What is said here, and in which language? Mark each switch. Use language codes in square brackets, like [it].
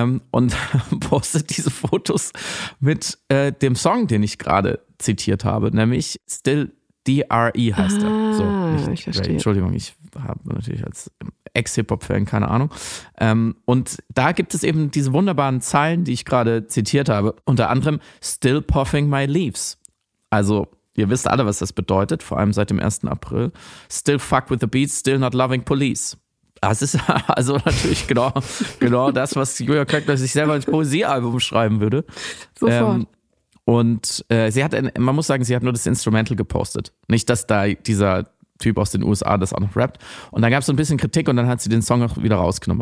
[de] Und postet diese Fotos mit dem Song, den ich gerade zitiert habe, nämlich Still D.R.E. heißt er. So, ich verstehe. Entschuldigung, ich habe natürlich als Ex-Hip-Hop-Fan, keine Ahnung. Und da gibt es eben diese wunderbaren Zeilen, die ich gerade zitiert habe. Unter anderem, still puffing my leaves. Also, ihr wisst alle, was das bedeutet, vor allem seit dem 1. April. [en] Still fuck with the beats, still not loving police. [de] Das ist also natürlich genau das, was Julia Klöckner sich selber ins Poesiealbum schreiben würde. Sofort. Und sie hat, man muss sagen, sie hat nur das Instrumental gepostet. Nicht, dass da dieser Typ aus den USA das auch noch rappt. Und dann gab es so ein bisschen Kritik und dann hat sie den Song auch wieder rausgenommen.